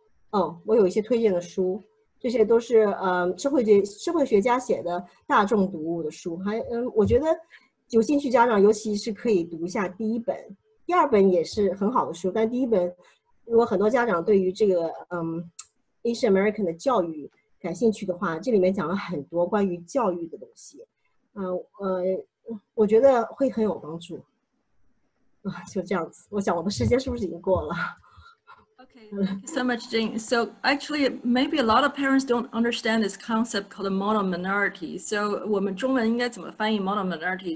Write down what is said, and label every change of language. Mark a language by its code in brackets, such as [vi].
[zh] 哦，我有一些推荐的书。这些都是社会学家写的大众读物的书，还我觉得有兴趣家长尤其是可以读一下第一本，第二本也是很好的书，但第一本如果很多家长对于这个Asian American 的教育感兴趣的话，这里面讲了很多关于教育的东西，我觉得会很有帮助，就这样子。我想我的时间是不是已经过了？ [en] Okay, thank you so much, Jane. So actually, maybe a lot of parents don't understand this concept called a model minority. So [zh] 我们中文应该怎么翻译 [en] model minority?